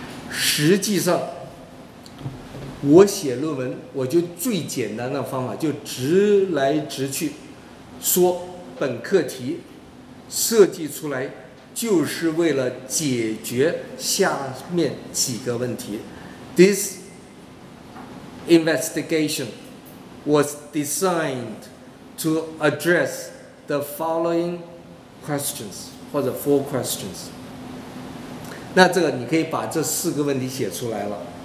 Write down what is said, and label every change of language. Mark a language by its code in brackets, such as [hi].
[zh] 实际上我写论文我就最简单的方法就直来直去说本课题设计出来就是为了解决下面几个问题。 [en] This investigation was designed to address the following questions [zh] 或者 [en] four questions。 [zh] 那这个你可以把这四个问题写出来了。